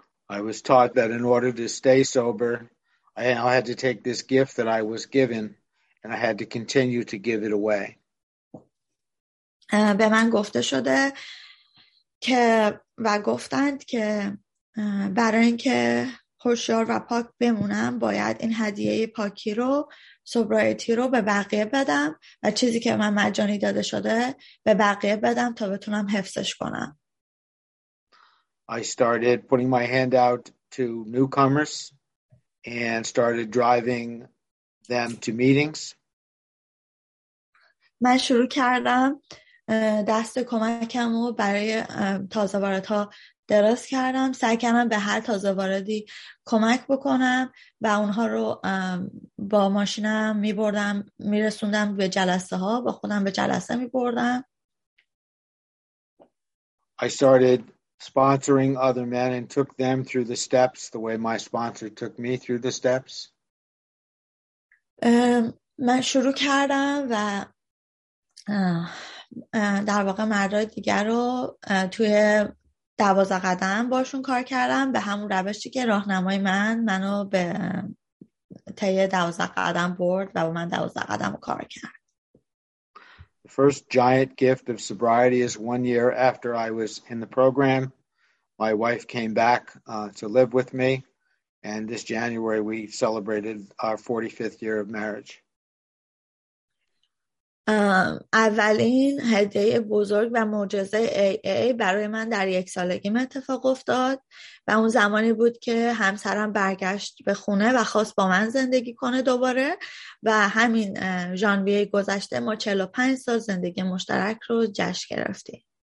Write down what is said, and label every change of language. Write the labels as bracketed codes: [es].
[en] I was taught that in order to stay sober, I had to take this gift that I was given and I had to continue to give it away. [fa] به من گفته شده که و گفتند که برای اینکه هوشیار و پاک بمونم باید این هدیه پاکی رو سوبرایتی رو به بقیه بدم و چیزی که من مجانی داده شده به بقیه بدم تا بتونم حفظش کنم. [en] I started putting my hand out to newcomers and started driving them to meetings. [fa] من شروع کردم دست کمکم رو برای تازه واردها دراز کردم. سعی کردم به هر تازه واردی کمک بکنم و اونها رو با ماشینم میبردم، میرسوندم به جلسه ها، با خودم به جلسه میبردم. [en] I started sponsoring other men and took them through the steps the way my sponsor took me through the steps. [fa] من شروع کردم و در واقع مردای دیگر رو توی 12 قدم باشون کار کردم به همون روشی که راهنمای منو به تیه 12 قدم برد و من 12 قدم رو کار کرد. [en] The first giant gift of sobriety is 1 year after I was in the program. My wife came back to live with me and this January we celebrated our 45th year of marriage. [fa] اولین هدیه بزرگ و معجزه AA برای من در یک سالگی من اتفاق افتاد و اون زمانی بود که همسرم برگشت به خونه و خواست با من زندگی کنه دوباره و همین ژانویه گذشته ما 45 سال زندگی مشترک رو جشن گرفتیم.